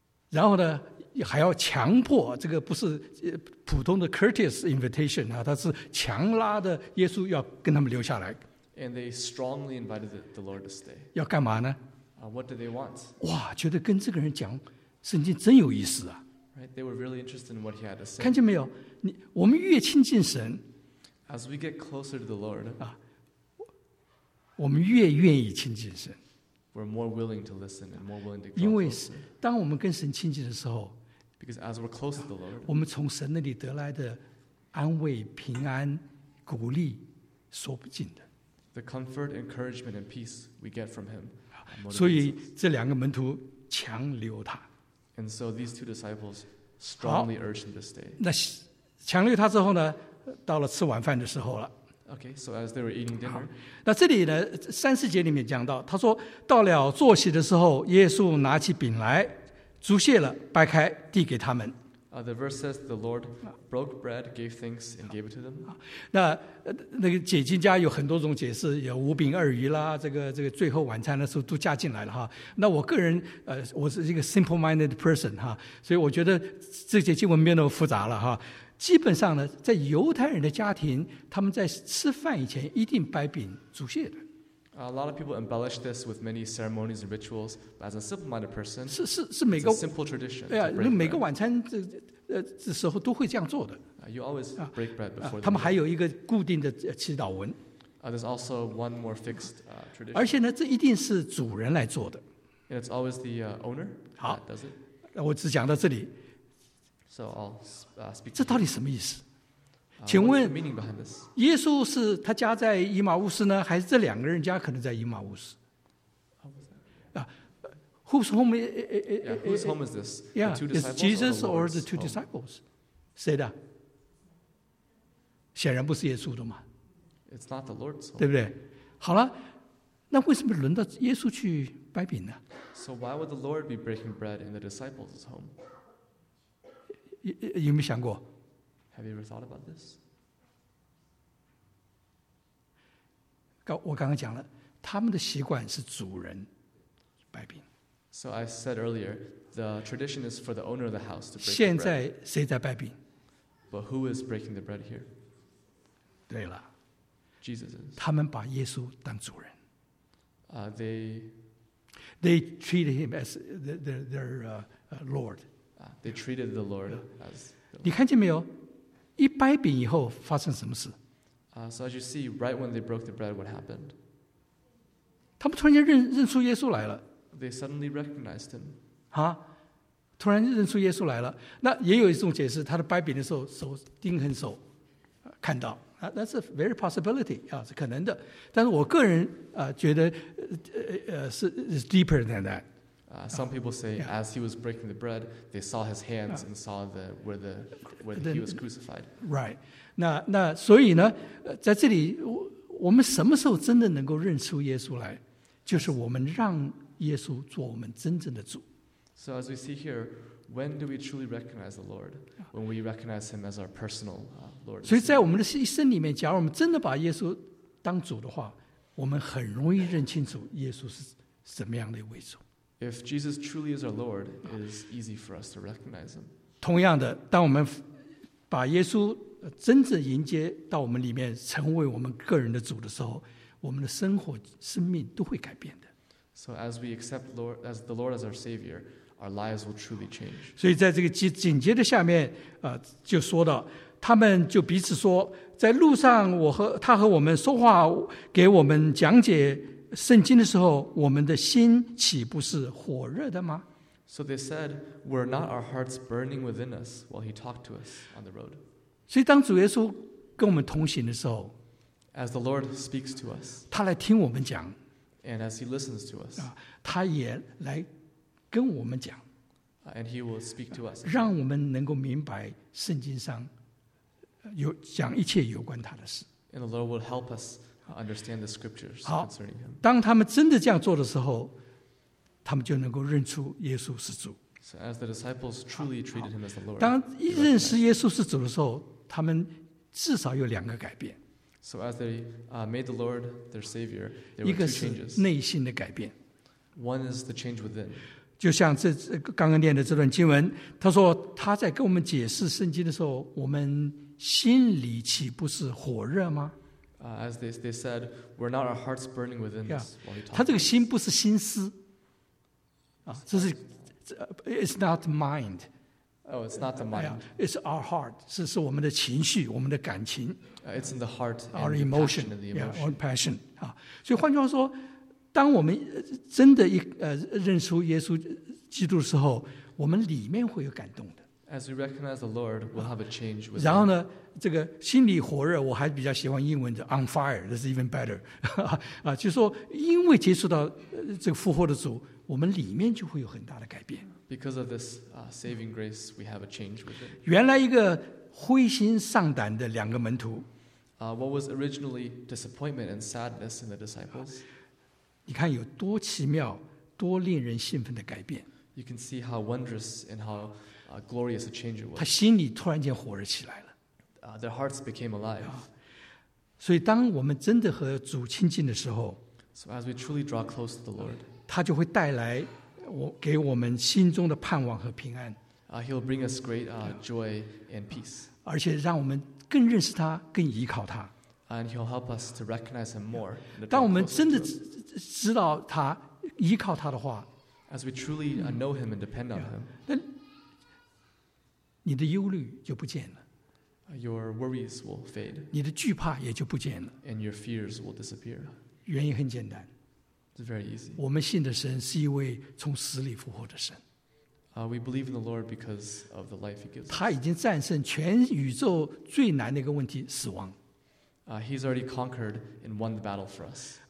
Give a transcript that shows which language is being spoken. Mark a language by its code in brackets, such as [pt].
[zh] 然后呢，还要强迫，这个不是普通的 [en] courteous invitation [zh] 啊，他是强拉的耶稣要跟他们留下来。 [en] And they strongly invited the Lord to stay. [zh] 要干嘛呢？ [en] What do they want? [zh] 哇，觉得跟这个人讲圣经真有意思啊！ [en] Right, they were really interested in what he had to say. [zh] 看见没有？我们越亲近神， [en] as we get closer to the Lord, [zh] 我们越愿意亲近神。 [en] We're more willing to listen and more willing to grow. [zh] 因为当我们跟神亲近的时候， [en] because as we're close to the Lord, [zh] 我们从神那里得来的安慰、平安、鼓励，说不尽的。 [en] The comfort, encouragement, and peace we get from him. [zh] 所以这两个门徒强留他。 [en] And so these two disciples strongly urged him to stay. [zh] 那强留他之后呢，到了吃晚饭的时候了。 [en] Okay, so as they were eating dinner. [zh] 那这里呢，三四节里面讲到，他说到了坐席的时候，耶稣拿起饼来，祝谢了，掰开递给他们。 [en] The verse says the Lord broke bread, gave thanks, and gave it to them. [zh] 那个解经家有很多种解释，有五饼二鱼啦，这个最后晚餐的时候都加进来了哈。那我个人我是一个 [en] simple-minded person [zh] 哈，所以我觉得这节经文没有那么复杂了哈。基本上呢，在犹太人的家庭，他们在吃饭以前一定掰饼祝谢的。 [en] A lot of people embellish this with many ceremonies and rituals. But as a simple-minded person, [zh] 是每个 [en] it's a simple tradition. [zh] 哎呀，那每个晚餐这时候都会这样做的。 [en] You always break bread before. [zh] 他们还有一个固定的祈祷文。 [en] There's also one more fixed tradition. [zh] 而且呢，这一定是主人来做的。 [en] And it's always the owner. [zh] 好 [en] ，does it? [zh] 那我只讲到这里。 [en] So I'll speak. [zh] 这到底什么意思？请问耶稣是他家在以马忤斯呢，还是这两个人家可能在以马忤斯？ [en] Whose home whose home is this? Yeah, is Jesus or the two disciples? [zh] 谁的？显然不是耶稣的嘛。 [en] It's not the Lord's home. [zh] 对不对？好了，那为什么轮到耶稣去掰饼呢？ [en] So why would the Lord be breaking bread in the disciples' home? [zh] 有没有想过？ [en] Have you ever thought about this? [zh] 我刚刚讲了，他们的习惯是主人摆饼。 [en] So I said earlier, the tradition is for the owner of the house to break bread. [zh] 现在谁在摆饼？ [en] But who is breaking the bread here? [zh] 对了， [en] Jesus is. [zh] 他们把耶稣当主人。 [en] They treat him as their Lord. They treated the Lord as. [zh] 你看见没有？一掰饼以后发生什么事？ [en] So as you see, right when they broke the bread, what happened? [zh] 他们突然间认出耶稣来了。 [en] They suddenly recognized him. [zh] 啊，突然认出耶稣来了。那也有一种解释，他的掰饼的时候手钉痕手看到啊， [en] that's a very possibility [zh] 啊，是可能的。但是我个人觉得是 [en] deeper than that。 Some people say, as he was breaking the bread, they saw his hands and saw where he was crucified. Right. [zh] 那所以呢，在这里，我们什么时候真的能够认出耶稣来？就是我们让耶稣做我们真正的主。 [en] So as we see here, when do we truly recognize the Lord? When we recognize Him as our personal Lord. [zh] 所以在我们的一生里面，假如我们真的把耶稣当主的话，我们很容易认清楚耶稣是什么样的一位主。 [en] If Jesus truly is our Lord, it is easy for us to recognize Him. [zh] 同样的，当我们把耶稣真正迎接到我们里面，成为我们个人的主的时候，我们的生活、生命都会改变的。 [en] So as we accept Lord, as the Lord as our Savior, our lives will truly change. [zh] 所以在这个紧接着下面，就说到，他们就彼此说，在路上我和他和我们说话，给我们讲解圣经的时候，我们的心岂不是火热的吗？ [en] So they said, were not our hearts burning within us while he talked to us on the road? [zh] 所以当主耶稣跟我们同行的时候， [en] as the Lord speaks to us, [zh] 他来听我们讲， [en] and as he listens to us, [zh] 他也来跟我们讲， [en] and he will speak to us, [zh] 让我们能够明白圣经上有讲一切有关他的事。 [en] And the Lord will help us understand the scriptures concerning him. [zh] 当他们真的这样做的时候，他们就能够认出耶稣是主。 [en] So as the disciples truly treated him as the Lord, [zh] 当一认识耶稣是主的时候，他们至少有两个改变。 [en] So as they made the Lord their Savior, there were two changes. [zh] 一个是内心的改变。 [en] One is the change within. [zh] 就像这刚刚念的这段经文，他说他在跟我们解释圣经的时候，我们心里岂不是火热吗？ [en] As they said, were not our hearts burning within us while he talked? [zh] 他这个心不是心思，这是 [en] it's not mind. Oh, it's not the mind. It's our heart. [zh] 是我们的情绪，我们的感情。 [en] It's in the heart. Our emotion. Yeah, our passion. [zh] 所以换句话说，当我们真的认出耶稣基督的时候，我们里面会有感动的。 [en] As we recognize the Lord, we'll have a change within. [zh] 然后呢？这个心里火热，我还比较喜欢英文的 [en] on fire, that's even better. [zh] 就是说因为接触到这个复活的主，我们里面就会有很大的改变。 [en] Because of this saving grace, we have a change with it. [zh] 原来一个灰心丧胆的两个门徒， [en] what was originally disappointment and sadness in the disciples? [zh] 你看有多奇妙，多令人兴奋的改变。 [en] You can see how wondrous and how glorious a change it was. [zh] 他心里突然间火热起来了。 [en] Their hearts became alive. [zh] 所以当我们真的和主亲近的时候， [en] so as we truly draw close to the Lord, [zh] 他就会带来给我们心中的盼望和平安。 [en] He'll bring us great joy and peace. [zh] 而且让我们更认识他，更依靠他。 [en] And he'll help us to recognize him more. [zh] 当我们真的知道他，依靠他的话， [en] as we truly know him and depend on him, [zh] 那你的忧虑就不见了。 [en] Your worries will fade. [zh] 你的惧怕也就不见了。 [en] And your fears will disappear. [zh] 原因很简单。 [en] It's very easy. [zh] 我们信的神是一位从死里复活的神。 [en] We believe in the Lord because of the life he gives us. [zh] 他已经战胜全宇宙最难的一个问题，死亡。 [en] He's already conquered and won the battle for us.